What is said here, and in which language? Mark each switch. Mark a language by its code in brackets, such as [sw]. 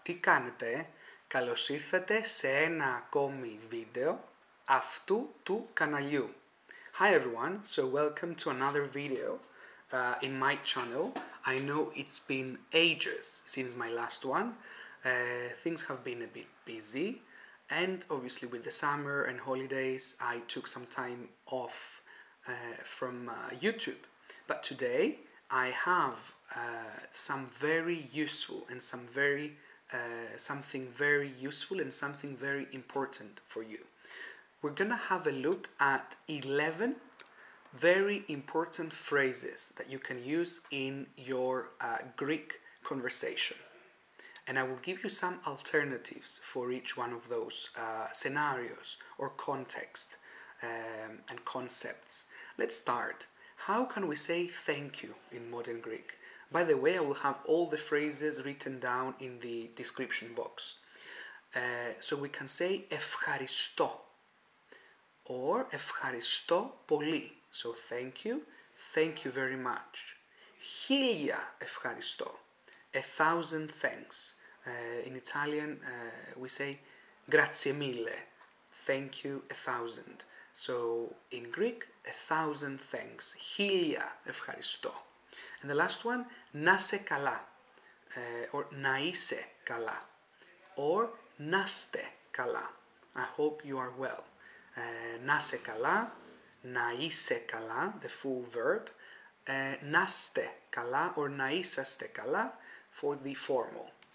[el] Τι κάνετε, καλώς ήρθατε σε ένα ακόμη βίντεο αυτού του καναλιού. [en] Hi everyone, so welcome to another video in my channel. I know it's been ages since my last one. Things have been a bit busy and obviously with the summer and holidays I took some time off from YouTube. But today I have some very useful and some very something very useful and something very important for you. We're gonna have a look at 11 very important phrases that you can use in your Greek conversation. And I will give you some alternatives for each one of those scenarios or context and concepts. Let's start. How can we say thank you in modern Greek? By the way, I will have all the phrases written down in the description box. So we can say [el] ευχαριστώ [en] or [el] ευχαριστώ πολύ. [en] So thank you very much. [el] Χίλια ευχαριστώ, [en] a thousand thanks. In Italian, we say [it] grazie mille, [en] thank you a thousand. So, in Greek, a thousand thanks. [el] Χίλια ευχαριστώ. [en] And the last one, [el] να σε καλά, or να είσαι καλά, or να είστε καλά. [en] I hope you are well. [el] Να σε καλά, να είσαι καλά, [en] the full verb, [el] να είστε καλά, or να είσαστε καλά, [en] for the formal.